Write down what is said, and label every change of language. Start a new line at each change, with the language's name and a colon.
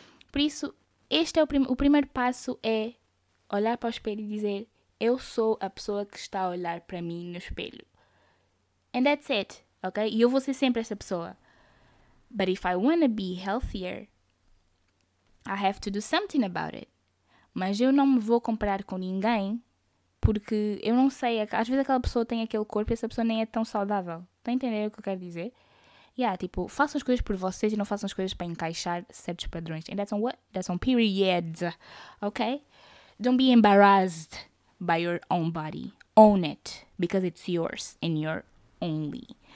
Portuguese: Por isso, este é o primeiro passo, é olhar para o espelho e dizer: eu sou a pessoa que está a olhar para mim no espelho.
English: And that's it, ok?
Portuguese: E eu vou ser sempre essa pessoa.
English: But if I wanna be healthier, I have to do something about it.
Portuguese: Mas eu não me vou comparar com ninguém, porque eu não sei, às vezes aquela pessoa tem aquele corpo e essa pessoa nem é tão saudável. Estão a entender o que eu quero dizer? Tipo, façam as coisas por vocês e não façam as coisas para encaixar certos padrões.
English: And that's on what? That's on period. Ok? Don't be embarrassed by your own body. Own it. Because it's yours and your only.